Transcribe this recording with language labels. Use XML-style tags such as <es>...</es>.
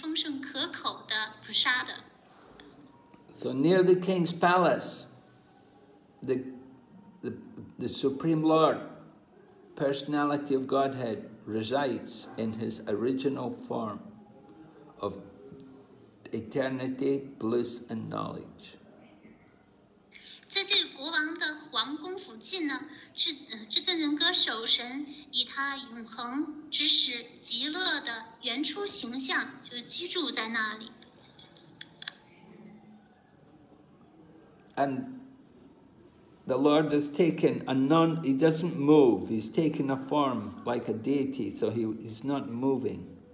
<zh>所以他们所有人都利用了在他的国家免费派发的这些美味丰盛可口的prasada.</zh> <en>So near the king's palace, the Supreme Lord, Personality of Godhead, resides in his original form of eternity, bliss, and knowledge.</en> <zh>在这个国王的皇宫附近呢，至尊人格首神以他永恒知识极乐的原初形象就居住在那里。</zh> <en>And the Lord has taken a non, he doesn't move, he's taken a form like a deity, so he's not moving.</en>